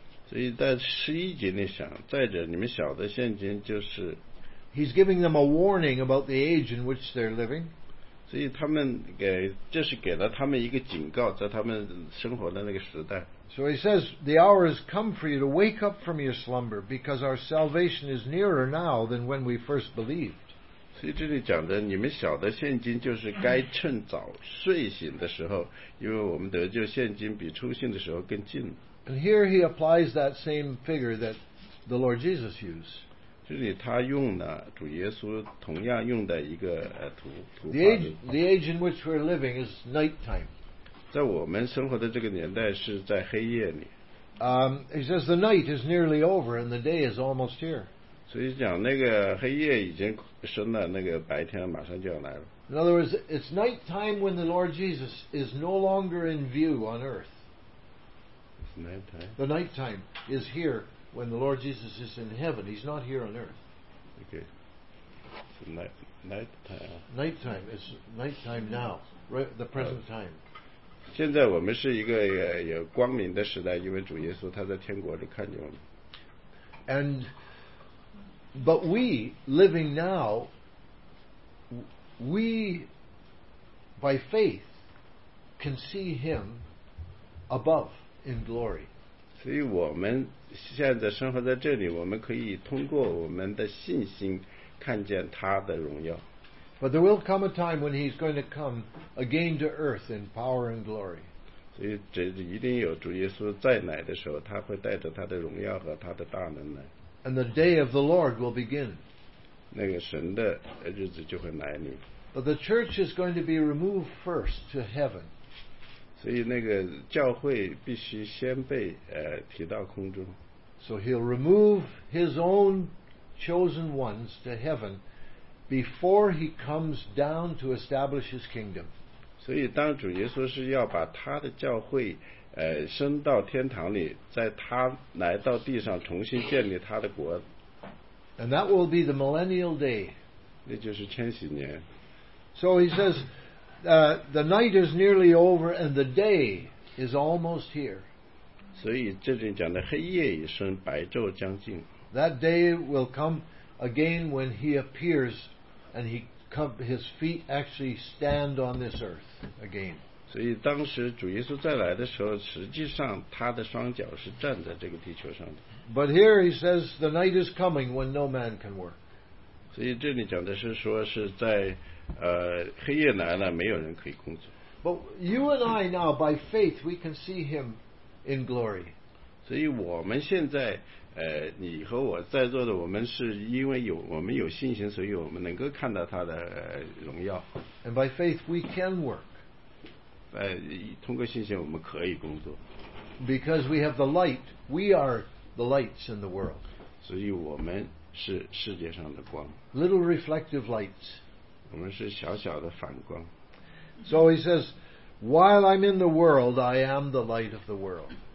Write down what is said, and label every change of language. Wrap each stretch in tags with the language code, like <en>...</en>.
<zh>所以在十一节里想，再者你们晓得现今就是。</zh> <en>He's giving them a warning about the age in which they're living.</en> <zh>所以他们这是给了他们一个警告，在他们生活的那个时代。</zh> <en>So he says, the hour has come for you to wake up from your slumber, because our salvation is nearer now than when we first believed.</en> <zh>所以这里讲的，你们晓得现今就是该趁早睡醒的时候，因为我们得救现今比初信的时候更近。</zh> <en>And here he applies that same figure that the Lord Jesus used.</en> <zh>这里他用了主耶稣同样用的一个图画。</zh> <en>The age in which we're living is nighttime.</en> <zh>在我们生活的这个年代是在黑夜里。</zh> <en>He says the night is nearly over and the day is almost here.</en> <zh>所以讲那个黑夜已经深了，那个白天马上就要来了。</zh> <en>In other words, it's nighttime when the Lord Jesus is no longer in view on earth. Nighttime. The nighttime is here. When the Lord Jesus is in heaven, He's not here on earth. Okay. It's nighttime. Nighttime. It's nighttime now, right? The present time.</en> <zh>现在我们是一个有光明的时代，因为主耶稣他在天国里看见我们。</zh> <en>And but we living now, we by faith can see Him above in glory.</en> <zh>所以我们现在生活在这里，我们可以通过我们的信心看见他的荣耀。</zh> <en>But there will come a time when he's going to come again to earth in power and glory.</en> <zh>所以这一定有主耶稣再来的时候，他会带着他的荣耀和他的大能来。</zh> <en>And the day of the Lord will begin.</en> <zh>那个神的日子就会来临。</zh> <en>But the church is going to be removed first to heaven.</en> <zh>所以那个教会必须先被提到空中。</zh> <en>So he'll remove his own chosen ones to heaven before he comes down to establish his kingdom.</en> <zh>所以当主耶稣是要把他的教会升到天堂里，在他来到地上重新建立他的国。</zh> <en>And that will be the millennial day.</en> <zh>那就是千禧年。</zh> <en>So he says,the night is nearly over and the day is almost here.</en> <zh>所以这里讲的黑夜已深，白昼将近。</zh> <en>That day will come again when he appears and his feet actually stand on this earth again.</en> <zh>所以当时主耶稣再来的时候，实际上他的双脚是站在这个地球上的。</zh> <en>But here he says the night is coming when no man can work.</en> <zh>所以这里讲的是说是在黑夜来了，没有人可以工作。</zh> <en>But you and I now, by faith, we can see him in glory.</en> <zh>所以我们现在，你和我在座的，我们是因为我们有信心，所以我们能够看到他的荣耀。</zh> <en>And by faith, we can work.</en> <zh>通过信心，我们可以工作。</zh> <en>Because we have the light, we are the lights in the world.</en> <zh>所以我们是世界上的光。</zh> <en>Little reflective lights.</en> <zh>我们是小小的反光。</zh> <en>So he says, while I'm in the world, I am the light of the world.</en>